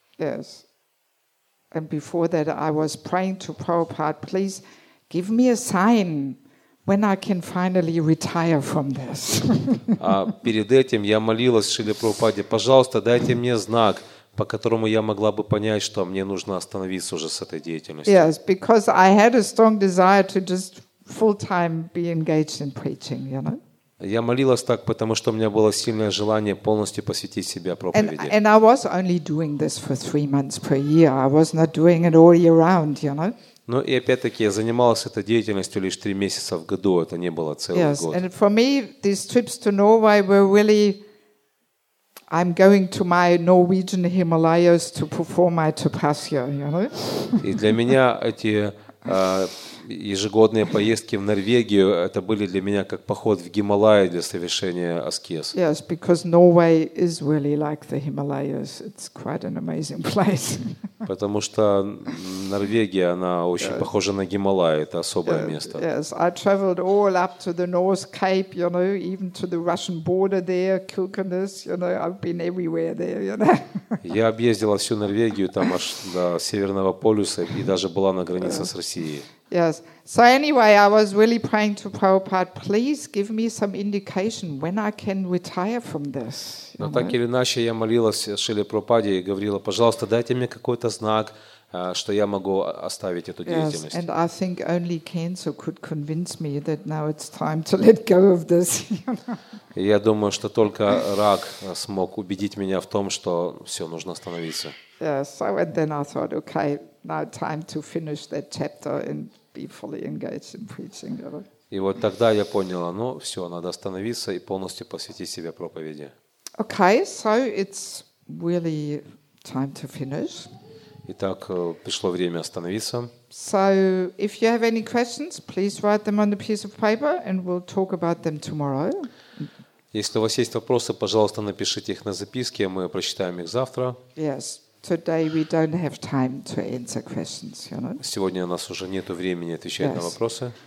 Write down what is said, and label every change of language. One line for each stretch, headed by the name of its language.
English: Yes. And before that I was praying to Prabhupada, please give me a sign when I can finally retire from this.
Russian: А перед этим я молилась Шриле Прабхупаде: "Пожалуйста, дайте мне знак, по которому я могла бы понять, что мне нужно остановиться уже с этой деятельностью".
English: Yes, because I had a strong desire to just full-time be engaged in preaching, you know.
Russian: Я молилась так, потому что у меня было сильное желание полностью посвятить себя проповеди.
English: And I was only doing this for 3 months per year. I was not doing it all year round, you know.
Russian: Ну и опять-таки я занималась этой деятельностью лишь 3 месяца в году. Это не было целый
English: yes,
Russian: год.
English: Yes, and for me these trips to Norway were really, I'm going to my Norwegian Himalayas to perform my tapasya, you know.
Russian: И для меня эти ежегодные поездки в Норвегию это были для меня как поход в Гималаи для совершения аскез.
English: Yes, because Norway is really like the Himalayas. It's quite an amazing place.
Russian: Потому что Норвегия, она очень похожа на Гималаи, это особое место.
English: Yes, I traveled all up to the North Cape, you know, even to the Russian border there, Kilkenness, you know, I've been everywhere there, you know.
Russian: Я объездила всю Норвегию, там аж до Северного полюса и даже была на границе с Россией.
English: Yes. So anyway, I was really praying to Prabhupada, please give me some indication when I can retire from this.
Russian: Но так или иначе я молилась Шриле Прабхупаде и говорила: "Пожалуйста, дайте мне какой-то знак, что я могу оставить эту деятельность".
English: Yes. And I think only cancer could convince me that now it's time to let go of this.
Russian: Я думаю, что только рак смог убедить меня в том, что всё, нужно остановиться.
English: Yes. So then I thought, okay, now time to finish that chapter and be fully engaged in preaching.
Russian: И вот тогда я поняла, ну всё, надо остановиться и полностью посвятить себя проповеди.
English: Okay, so it's really time to finish.
Russian: Итак, пришло время остановиться.
English: So, if you have any questions, please write them on the piece of paper and we'll talk about them tomorrow.
Russian: Если у вас есть вопросы, пожалуйста, напишите их на записке, мы прочитаем их завтра.
English: Yes. Today we don't have time to answer questions, you know.
Russian: Сегодня у нас уже нету времени отвечать на вопросы.